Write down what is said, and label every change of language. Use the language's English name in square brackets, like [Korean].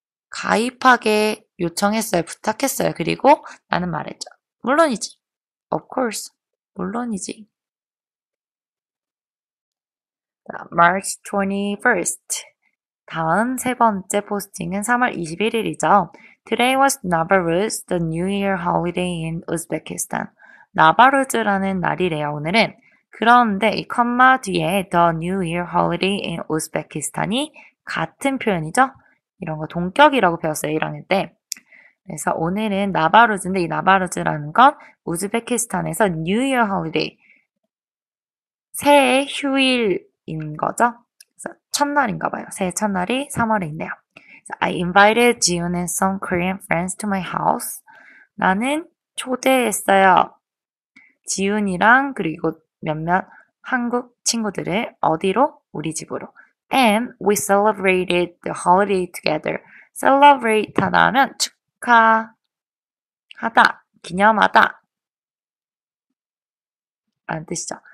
[Korean] 가입하게 요청했어요. 부탁했어요. 그리고 나는 말했죠. 물론이지. [English] Of course. [Korean] 물론이지. [English] March 21st. [Korean] 다음 세 번째 포스팅은 3월 21일이죠. [English] Today was Navruz, the New Year holiday in Uzbekistan. [Korean] 나바루즈라는 날이래요, 오늘은. 그런데 이 콤마 뒤에 The New Year holiday in Uzbekistan이 같은 표현이죠. 이런 거 동격이라고 배웠어요, 1학년 때. 그래서 오늘은 나바루즈인데 이 나바루즈라는 건 우즈베키스탄에서 [English] New Year holiday. [Korean] 새해 휴일. 인 거죠? 첫날인가 봐요. 새해 첫날이 3월에 있네요. [English] I invited Jihyun and some Korean friends to my house. [Korean] 나는 초대했어요. 지훈이랑 그리고 몇몇 한국 친구들을 어디로? 우리 집으로. [English] And we celebrated the holiday together. [Korean] Celebrate 하다 하면 축하하다, 기념하다 라는 뜻이죠.